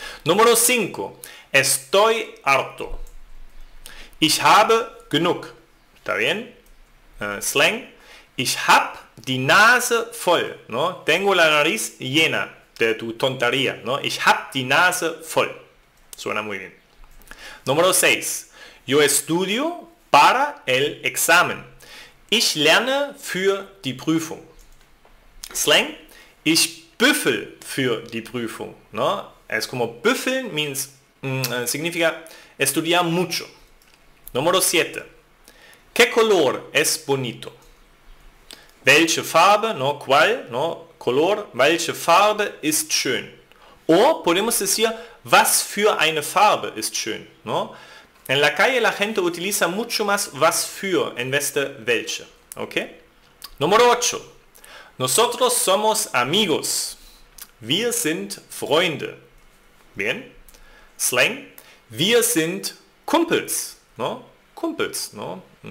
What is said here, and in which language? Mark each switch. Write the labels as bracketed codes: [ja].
[es] Número 5. Estoy harto. [de] Ich habe genug. [es] ¿Está bien? Slang. [de] Ich hab die Nase voll. ¿No? [es] Tengo la nariz llena de tu tontería. ¿No? [de] Ich hab die Nase voll. [es] Suena muy bien. Número 6. Yo estudio para el examen. [de] Ich lerne für die Prüfung. Slang. Ich büffel für die Prüfung. [es] ¿No? Es como büffeln means, significa estudiar mucho. Número 7. ¿Qué color es bonito? [de] Welche Farbe, [es] ¿no? ¿Cuál? ¿No? Color. [de] Welche Farbe ist schön? [es] O podemos decir, [de] was für eine Farbe ist schön? [es] ¿No? En la calle la gente utiliza mucho más was für en vez de welche. ¿Okay? Número 8. Nosotros somos amigos. [de] Wir sind Freunde. Bien. Slang. Wir sind Kumpels. ¿No? Kumpels. ¿No?